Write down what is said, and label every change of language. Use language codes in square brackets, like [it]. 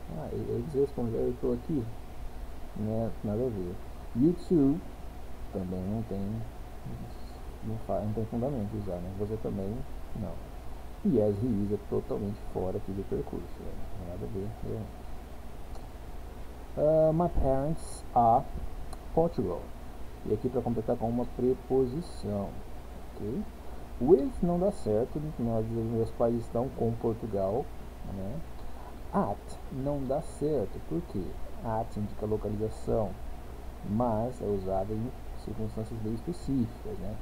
[pt] Ah, eles responderam, eu estou aqui. Né? Nada a ver. [en] You too [pt] também não tem. Não tem fundamento usar, né? Você também não. [en] Yes, he is [pt] é totalmente fora aqui do percurso. Né? Nada a ver. [en] My parents are Portugal. [pt] E aqui para completar com uma preposição. Ok? With não dá certo, nós, meus pais estão com Portugal. Né? At não dá certo, por quê? At indica localização, mas é usado em circunstâncias bem específicas, né?